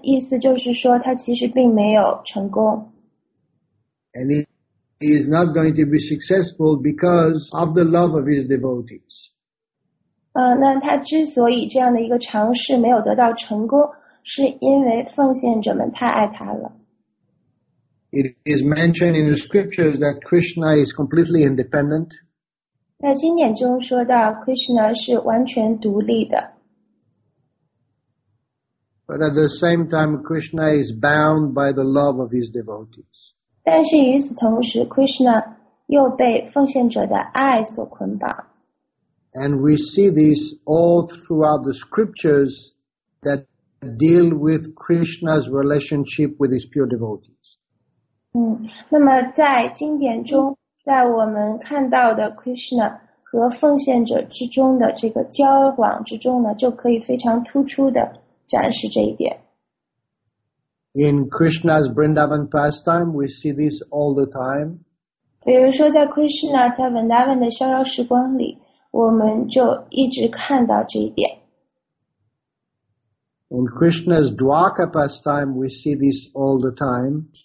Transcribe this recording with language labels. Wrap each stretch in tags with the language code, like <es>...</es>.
<zh>意思就是说，他其实并没有成功。</zh> <en>And he is not going to be successful because of the love of his devotees.</en> <zh>那他之所以这样的一个尝试没有得到成功，是因为奉献者们太爱他了。</zh> <en>It is mentioned in the scriptures that Krishna is completely independent.</en> <zh>在经典中说到 ，Krishna 是完全独立的。</zh> <en>But at the same time, Krishna is bound by the love of his devotees.</en> <zh>但是与此同时 ，Krishna 又被奉献者的爱所捆绑。</zh> <en>And we see this all throughout the scriptures that deal with Krishna's relationship with his pure devotees.</en> <zh>那么在经典中，在我们看到的 Krishna 和奉献者之中的这个交往之中呢，就可以非常突出的展示这一点。</zh> <en>In Krishna's Vrindavan pastime, we see this all the time.</en> <zh>比如说在 Krishna 在 Vrindavan 的逍遥时光里，我们就一直看到这一点。</zh> <en>In Krishna's Dwarka pastime, we see this all the time.</en>